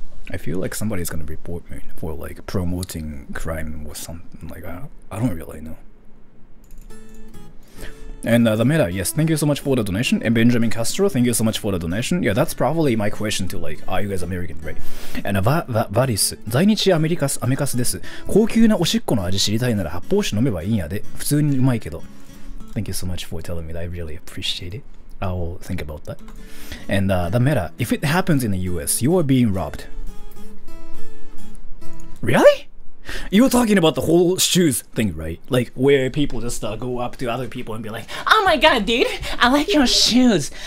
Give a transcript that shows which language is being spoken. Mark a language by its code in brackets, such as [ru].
[en] I feel like somebody's gonna report me for like promoting crime or something. Like, I don't really know. And the meta, yes, thank you so much for the donation. And Benjamin Castro, thank you so much for the donation. Yeah, that's probably my question to like, are you guys American, right? [ja] And Varis, 在日アメリカスアメカスです。高級なおしっこの味知りたいなら発泡酒飲めばいいんやで。普通にうまいけど。 [en] Thank you so much for telling me that. I really appreciate it. I'll think about that. And the meta, if it happens in the US, you are being robbed. Really? You were talking about the whole shoes thing, right? Like, where people just go up to other people and be like, oh my god, dude, I like your shoes.